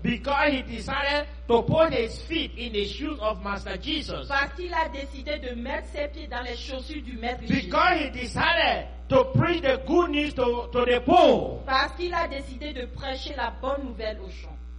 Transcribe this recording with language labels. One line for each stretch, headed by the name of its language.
English: Because he decided to put his feet in the shoes of Master Jesus.
French: Parce qu'il a décidé de mettre ses pieds dans les chaussures du Maître Jésus.
English: Because he decided to preach the good news to the poor.
French: Parce qu'il a décidé de prêcher la bonne nouvelle aux gens.